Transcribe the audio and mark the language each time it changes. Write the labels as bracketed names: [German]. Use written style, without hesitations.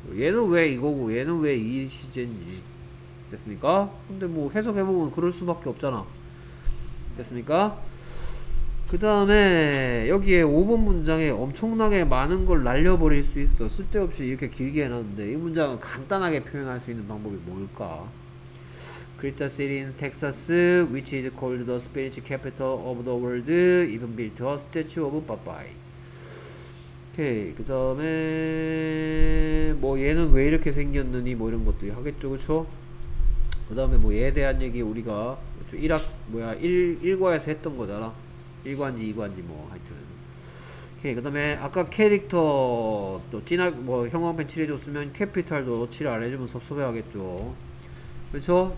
[Korean] 얘는 왜 이거고, 얘는 왜 이 시제인지. 됐습니까? 근데 뭐 해석해보면 그럴 수밖에 없잖아. 됐습니까? 그 다음에 여기에 5번 문장에 엄청나게 많은 걸 날려버릴 수 있어. 쓸데없이 이렇게 길게 해놨는데 이 문장을 간단하게 표현할 수 있는 방법이 뭘까? [English] Crystal City in Texas, which is called the spinach capital of the world, even built a statue of Popeye. [Korean] 오케이. 그 다음에 뭐 얘는 왜 이렇게 생겼느니 뭐 이런 것도 하겠죠. 그쵸? 그 다음에 뭐 얘에 대한 얘기 우리가 1학, 뭐야, 1과에서 했던 거잖아. 1관지, 2관지, 뭐, 하여튼. 오케이. 그 다음에 아까 캐릭터 또 진화 뭐 형광펜 칠해줬으면 캐피탈도 칠을 안 해주면 섭섭해하겠죠. 그렇죠?